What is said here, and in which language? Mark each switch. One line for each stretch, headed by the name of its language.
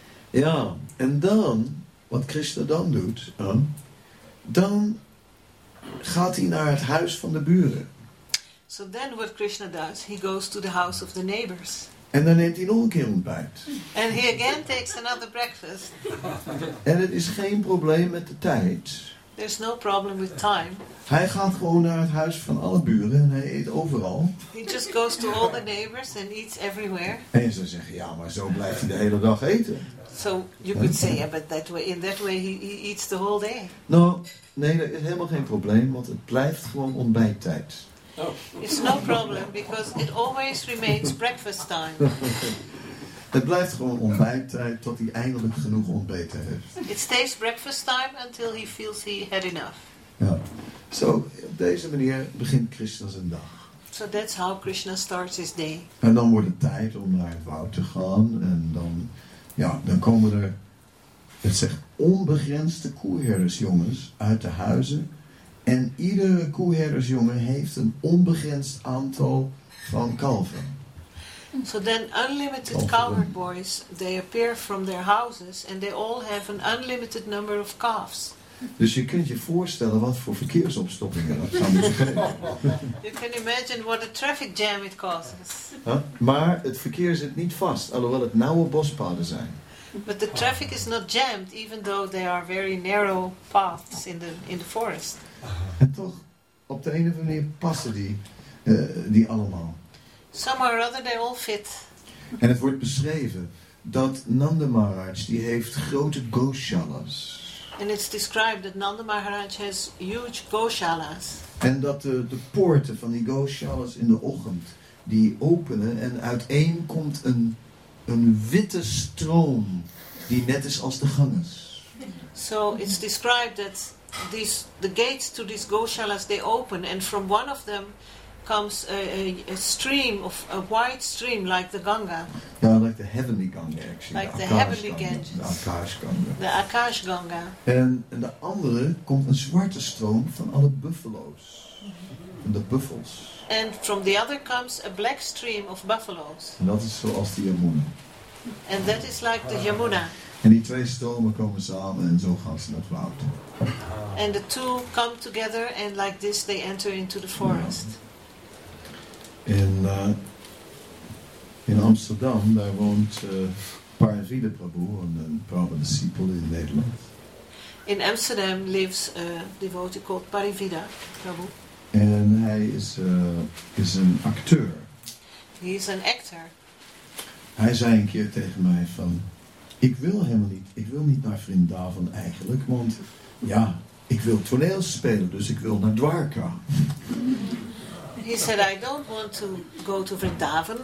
Dutch: Ja, en dan, wat Krishna dan doet, dan gaat hij naar het huis van de buren.
English: So then what Krishna does, he goes to the house of the neighbors.
Dutch: En dan neemt hij nog een keer ontbijt.
English: And he again takes another breakfast.
Dutch: En het is geen probleem met de tijd.
English: There's no problem with time.
Dutch: Hij gaat gewoon naar het huis van alle buren en hij eet overal.
English: He just goes to all the neighbors and eats everywhere.
Dutch: En ze zeggen, ja, maar zo blijft hij de hele dag eten.
English: So you could say, yeah, but that way, in that way he eats the whole day.
Dutch: Nou, nee, dat is helemaal geen probleem, want het blijft gewoon ontbijttijd. Oh.
English: It's no problem, because it always remains breakfast time.
Dutch: Het blijft gewoon ontbijttijd tot hij eindelijk genoeg ontbeten heeft.
English: It stays breakfast time until he feels he had enough. Ja.
Dutch: Zo, op deze manier begint Krishna zijn dag.
English: So that's how Krishna starts his day.
Dutch: En dan wordt het tijd om naar het woud te gaan. En dan, ja, dan komen er, het zegt, onbegrensde koeherdersjongens uit de huizen. En iedere koeherdersjongen heeft een onbegrensd aantal van kalven.
English: So then unlimited cowherd boys, they appear from their houses and they all have an unlimited number of calves.
Dutch: Dus je kunt je voorstellen wat voor verkeersopstoppingen dat zou moeten geven.
English: You can imagine what a traffic jam it causes. Huh?
Dutch: Maar het verkeer zit niet vast, alhoewel het nauwe bospaden zijn.
English: But the traffic is not jammed, even though there are very narrow paths in the forest.
Dutch: En toch, op de een of andere manier passen die allemaal.
English: Somehow or other they all fit.
Dutch: En het wordt beschreven dat Nanda Maharaj die heeft grote goshalas.
English: And it's described that Nanda Maharaj has huge goshalas.
Dutch: En dat de poorten van die goshalas in de ochtend die openen en uiteen komt een witte stroom die net is als de ganges.
English: So it's described that the gates to these goshalas they open and from one of them comes a stream of a white stream like the Ganga. Ja, like the heavenly Ganga actually. Like the heavenly Ganges.
Dutch: De Akash Ganga.
English: The Akash Ganga.
Dutch: En de andere komt een zwarte stroom van alle buffalo's. Van de buffels.
English: And from the other comes a black stream of buffalo's.
Dutch: En dat is zoals de Yamuna.
English: And that is like the Yamuna.
Dutch: En die twee stromen komen samen en zo gaan ze naar het woud.
English: And the two come together and like this they enter into the forest. Ja.
Dutch: In Amsterdam, daar woont Parvide Prabhu, een Prabhu-discipel in Nederland.
English: In Amsterdam lives a devotee called Parvide Prabhu.
Dutch: En hij is een acteur.
English: He is an actor.
Dutch: Hij zei een keer tegen mij van, ik wil niet naar Vrindavan eigenlijk, want ja, ik wil toneel spelen, dus ik wil naar Dwarka.
English: He said, I don't want to go to Vrindavan.